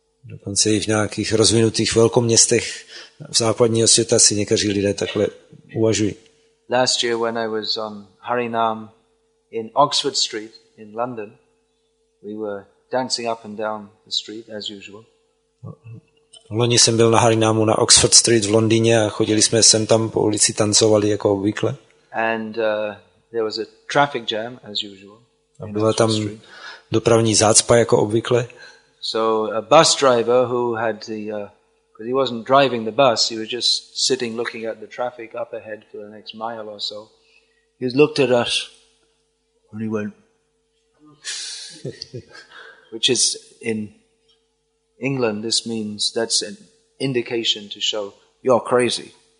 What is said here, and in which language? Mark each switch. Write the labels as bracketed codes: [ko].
[cs] Dokonce i v nějakých rozvinutých velkoměstech v západního světa si někteří lidé takhle uvažují. [en] Last year when I was on Harinam in Oxford Street in London, we were dancing up and down the street as usual. [cs] Loni jsem byl na Harinamu na Oxford Street v Londýně a chodili jsme sem tam po ulici, tancovali jako obvykle. [en] And there was a traffic jam as usual. [cs] A byla tam dopravní zácpa jako obvykle. [en] So a bus driver who had the because he wasn't driving the bus, he was just sitting looking at the traffic up ahead for the next mile or so. He looked at us and he went which is in England, this means that's an indication to show you're crazy.